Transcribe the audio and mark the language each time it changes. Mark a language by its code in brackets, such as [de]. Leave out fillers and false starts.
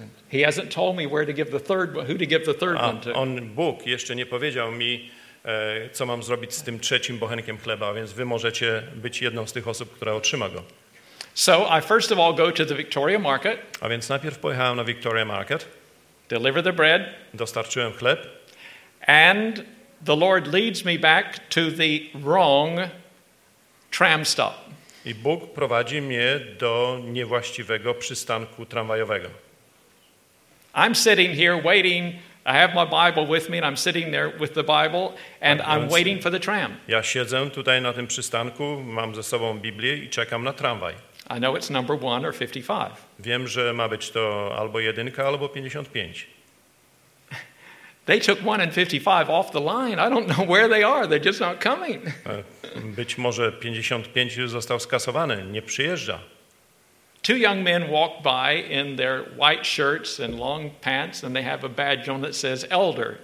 [en] He hasn't told me where to give the third one, who to give the third one to. [pl] On Bóg jeszcze nie powiedział mi, co mam zrobić z tym trzecim bochenkiem chleba, więc wy możecie być jedną z tych osób, która otrzyma go. [en] So I first of all go to the Victoria Market. [pl] A więc najpierw pojechałem na Victoria Market. [en] Deliver the bread. [pl] Dostarczyłem chleb. [en] And the Lord leads me back to the wrong tram stop. [pl] I Bóg prowadzi mnie do niewłaściwego przystanku tramwajowego. [en] I'm sitting here waiting. I have my Bible with me and I'm sitting there with the Bible and I'm waiting for the tram. [pl] Ja siedzę tutaj na tym przystanku, mam ze sobą Biblię i czekam na tramwaj. [en] I know it's number 1 or 55. [pl] Wiem, że ma być to albo jedynka, albo 55. [en] They took 1 and 55 off the line. I don't know where they are. They're just not coming. [pl] Być może 55 już został skasowany, nie przyjeżdża. [en] Two young men walk by in their white shirts and long pants and they have a badge on that says elder.